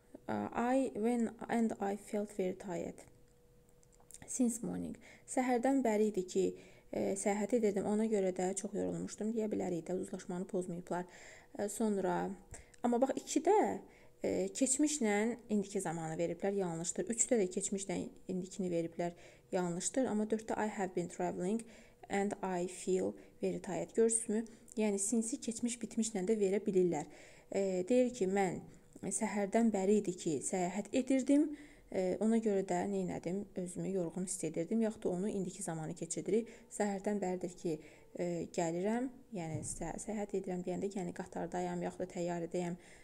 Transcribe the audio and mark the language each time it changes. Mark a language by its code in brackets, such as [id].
[en] I felt very tired. Since morning. [az] Səhərdən bəri idi ki, səyahət edirdim. Ona görə də çox yorulmuşdum, deyə bilərik də, uzlaşmanı pozmayıblar. Sonra, amma bax, ikidə keçmişlə indiki zamanı veriblər, yanlışdır. Üçdə də keçmişlə indikini veriblər, yanlışdır. Amma dördə [en] I have been travelling and I feel very tired. [az] Görürsünüzmü? Yəni, sinsi keçmiş bitmişlə də verə bilirlər. Deyir ki, mən səhərdən bəri idi ki, səyahət edirdim. Ona görə də neynədim, özümü yorğun hiss edirdim. Yaxud da onu indiki zamanı keçirdirik. Səhərdən bəridir ki, gəlirəm, yəni səyahət edirəm deyəndə, yəni qatardayam, yaxud da təyyarədəyəm.